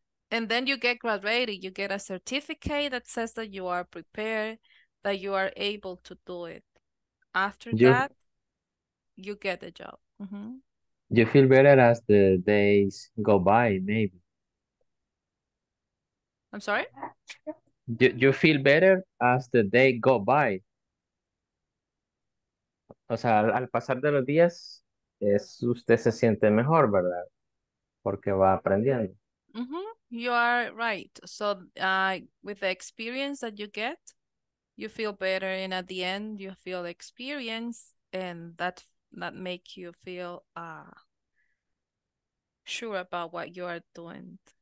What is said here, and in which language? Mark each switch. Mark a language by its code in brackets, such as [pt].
[en] And then you get graduated. You get a certificate that says that you are prepared, that you are able to do it. After that, you get the job. Mm-hmm. You feel better as the days go by, maybe. I'm sorry? You feel better as the day go by. [es] O sea, al pasar de los días, usted se siente mejor, ¿verdad? Porque va aprendiendo. [en] Mm-hmm. You are right. So with the experience that you get, you feel better, and at the end, you feel experience, and that make you feel sure about what you are doing.